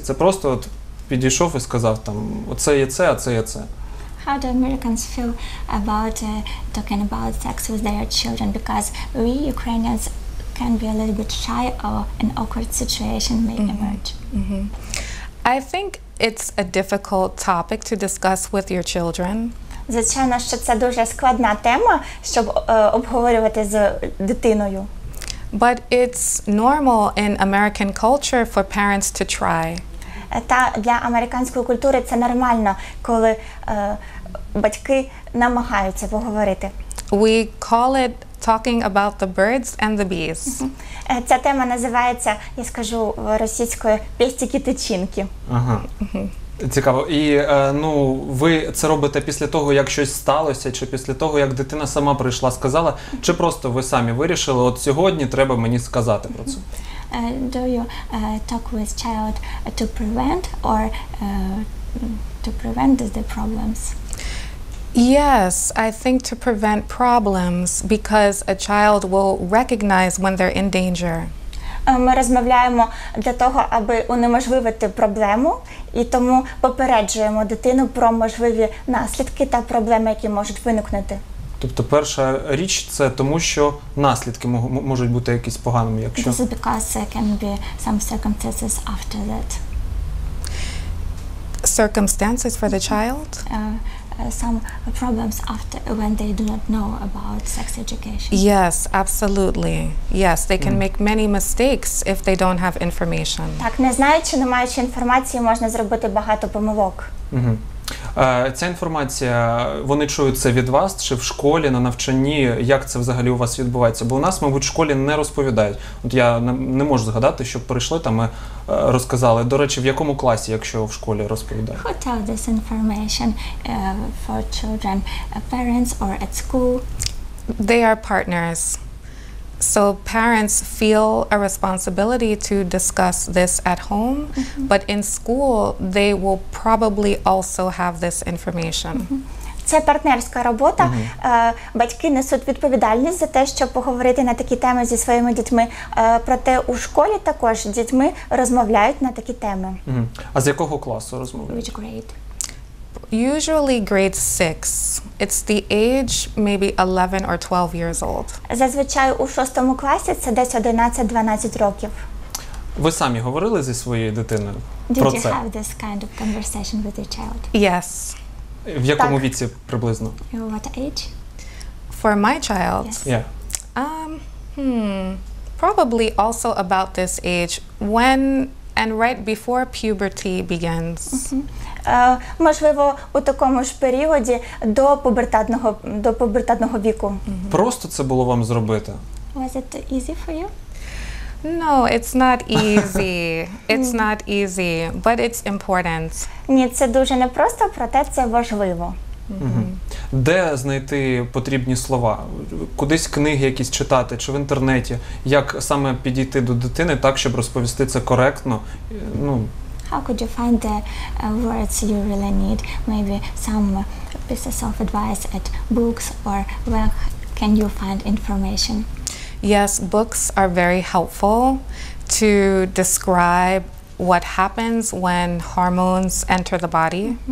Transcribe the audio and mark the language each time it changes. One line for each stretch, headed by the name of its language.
Ukrainian: Це просто от підійшов і сказав там, оце є це, а це є це.
English: How do Americans feel about talking about sex with their children? Because we Ukrainians can be a little bit shy or an awkward situation may emerge. I think it's a difficult topic to discuss with your children.
Ukrainian: Звичайно, що це дуже складна тема, щоб обговорювати з дитиною.
English: But it's normal in American culture for parents to try.
Ukrainian: Та для американської культури це нормально, коли батьки намагаються поговорити.
English: We call it talking about the birds and the bees.
Ukrainian: Ця тема називається, я скажу російською, пестики-тичинки. Цікаво. І ви це робите після того, як щось сталося, чи після того, як дитина сама прийшла, сказала, чи просто ви самі вирішили, от сьогодні треба мені сказати про це?
English: Do you talk with child to prevent or to prevent the problems? Yes, I think to prevent problems, because a child will recognize when they're in danger.
Ukrainian: Ми розмовляємо для того, аби унеможливити проблему, і тому попереджуємо дитину про можливі наслідки та проблеми, які можуть виникнути. Тобто перша річ – це тому, що наслідки можуть бути якісь поганими, якщо…
English: This is because there can be some circumstances after that. Circumstances for the child? Some problems after when they do not know about sex education. Yes, absolutely. Yes, they can make many mistakes if they don't have information.
Ukrainian: Так, не знаючи, не маючи інформації, можна зробити багато помилок. Ця інформація, вони чують це від вас чи в школі, на навчанні, як це взагалі у вас відбувається? Бо у нас, мабуть, в школі не розповідають. От я не можу згадати, щоб прийшли там і розказали. До речі, в якому класі, якщо в школі розповідають?
English: Who tells this information for children? Parents or at school? They are partners. So parents feel a responsibility to discuss this at home, mm-hmm. but in school they will probably also have this information.
Ukrainian: Mm-hmm. Це партнерська робота. Mm-hmm. Батьки несуть відповідальність за те, щоб поговорити на такі теми зі своїми дітьми. Проте у школі також з дітьми розмовляють на такі теми. Mm-hmm. А з якого класу розмовляють?
English: Which grade? Usually grade 6. It's the age maybe 11 or 12 years old.
Ukrainian: Зазвичай у 6-му класі це десь 11-12 років. Ви самі говорили зі своєю дитиною про це?
English: Did you have this kind of conversation with your child? Yes.
Ukrainian: В якому віці приблизно?
English: What age? For my child? Yes. Yeah. Probably also about this age when and right before puberty begins. Mm-hmm.
Ukrainian: Можливо, у такому ж періоді до пубертатного віку. Mm-hmm. Просто це було вам зробити?
English: Was it easy for you? No, it's not easy. It's not easy, but it's important.
Ukrainian: Ні, це дуже непросто, проте це важливо. Mm-hmm. Де знайти потрібні слова? Кудись книги якісь читати чи в інтернеті? Як саме підійти до дитини так, щоб розповісти це коректно?
English: Ну, how could you find the words you really need? Maybe some pieces of advice at books or where can you find information? Yes, books are very helpful to describe what happens when hormones enter the body.